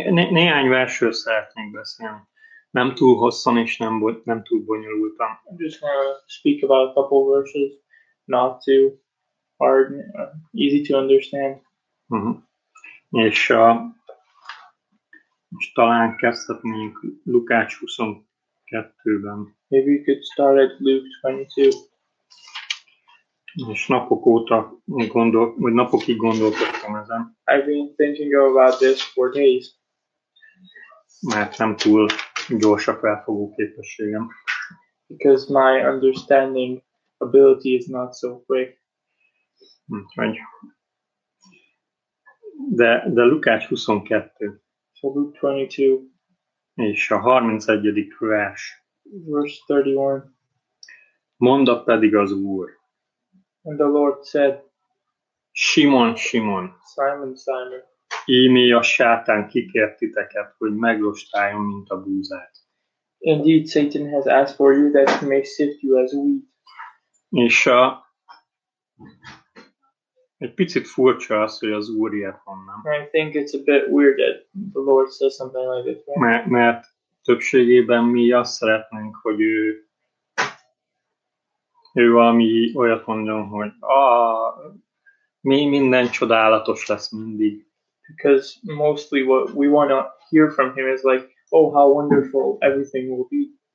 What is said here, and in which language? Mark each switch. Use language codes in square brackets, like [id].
[hu] Néhány versről szeretnék beszélni. Nem túl hosszan és nem túl bonyolultan. [en] I'm just gonna speak about a couple of verses, not too hard, easy to understand. [hu] És talán kezdhetnénk Lukács 22-ben. [en] Maybe we could start at Luke 22. [hu] És napok óta napokig gondolkodtam ezen. [en] I've been thinking about this for days. [hu] Mert nem túl gyors a felfogó képességem. [en] Because my understanding ability is not so quick. [hu] De Lukács 22. [en] So Luke 22. [hu] És a 31. vers. [en] Verse 31. [hu] Mondta pedig az Úr. [en] And the Lord said. [hu] Simon, Simon. [en] Simon, Simon. [hu] Íme a sátán kikért titeket, hogy meglostáljon, mint a búzát. [en] Indeed, Satan has asked for you that he may sift you as wheat. [hu] És a... Egy picit furcsa az, hogy az Úr ilyet mondom. [en] I think it's a bit weird that the Lord says something like this. Right? [hu] Mert többségében mi azt szeretnénk, hogy ő valami olyat mondjon, hogy mi minden csodálatos lesz mindig. [en] Because mostly what we want to hear from him is like, oh, how wonderful everything will be.